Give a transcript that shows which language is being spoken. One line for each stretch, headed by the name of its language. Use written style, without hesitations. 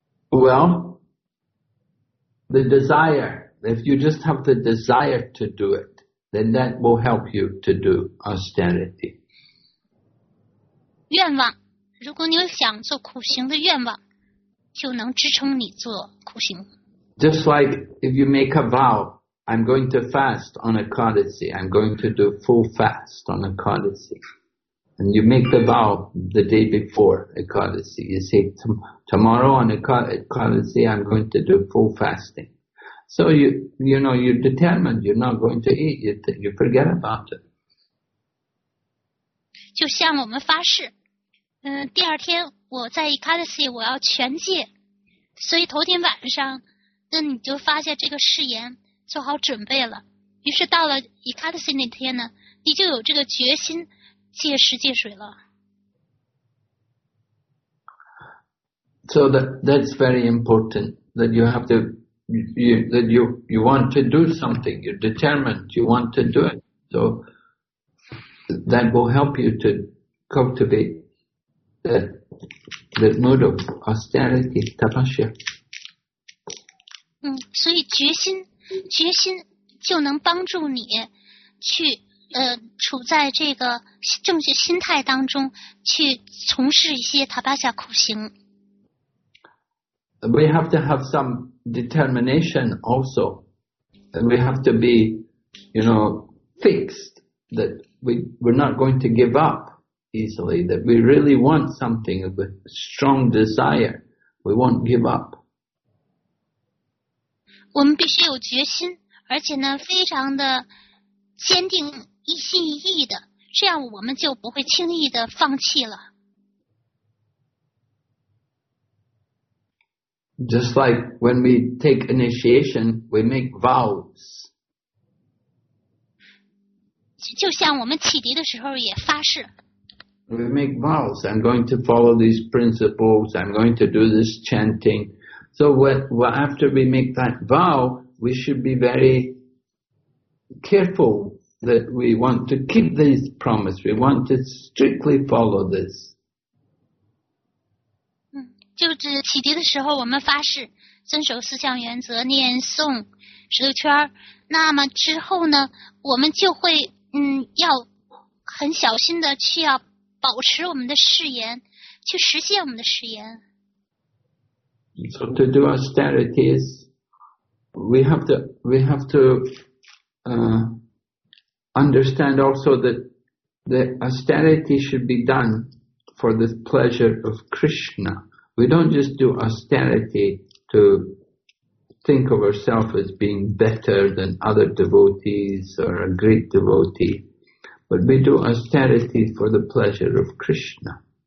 English: Well, the desire, if you just have the desire to do it, then that will help you to do austerity.
Chinese: 愿望，如果你想做苦行的愿望，就能支撑你做苦行。
English: Just like if you make a vow,I'm going to fast on Ekadasi. I'm going to do full fast on Ekadasi. And you make the vow the day before Ekadasi. You say, tomorrow on Ekadasi, I'm going to do full fasting. So you know, you're determined. You're not going to eat. You forget about it.
Chinese: 就向我们发誓，第二天我在 Ekadasi 我要全戒。所以头天晚上，那你就发下这个誓言，做好准备了。于是到了 Ekadasi 那天呢，你就有这个决心戒食戒水了。
English: So that's very important that you have to you want to do something. You're determined. You want to do it. So that will help you to cultivate that mood of austerity, tapasya.
Chinese: 所以决心就能帮助你去处在这个正确心态当中去从事一些tapasya苦行。
English: We have to have some determination also. We have to be, you know, fixed that we're not going to give up easily, that we really want something of a strong desire. We won't give up.
Chinese: 我们必须有决心，而且呢，非常的坚定，一心一意的，这样我们就不会轻易的放弃了。
English: Just like when we take initiation, we make vows.
Chinese: 就像我们启迪的时候也发誓。
English: We make vows. I'm going to follow these principles. I'm going to do this chanting. So after we make that vow, we should be very careful that we want to keep this promise. We want to strictly follow this.
Chinese: 就是启迪的时候我们发誓遵守四项原则念诵十六圈，那么之后呢我们就会要很小心的去要保持我们的誓言，去实现我们的誓言。
English: So to do austerities we have to understand also that the austerity should be done for the pleasure of KrishnaWe don't just do austerity to think of ourselves as being better than other devotees or a great devotee, but we do austerity for the pleasure of Krishna.